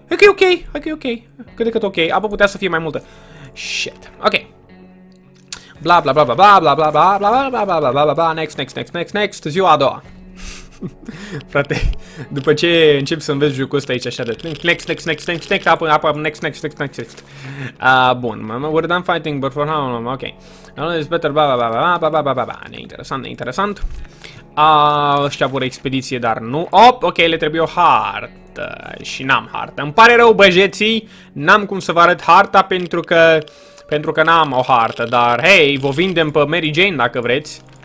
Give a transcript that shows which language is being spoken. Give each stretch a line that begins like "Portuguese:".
Romanian: E că e ok, e că e ok. Cât de cât ok, apă putea să fie mai multă. Shit, ok. Bla, bla, bla, bla, bla, bla, bla, bla, bla, bla, bla, bla, bla, bla, bla, bla, next, next, next, next, next, ziua a doua. Frate, după ce încep să înveți jocul ăsta aici așa de next, next, next, next, next, next, apă, apă, next, next, next, next, next.
English: Bun, we're done fighting, but for how long, ok. No, it's better, ba, ba, ba, ba, ba, ba, ba, ba, ba,
Romanian: neinteresant, neinteresant. Ăștia vor expediție, dar nu. Op, ok, le trebuie o hartă și n-am hartă. Îmi pare rău, băjeții, n-am cum să vă arăt harta pentru că n-am o hartă, dar hei, vă vindem pe Mary Jane dacă vreți.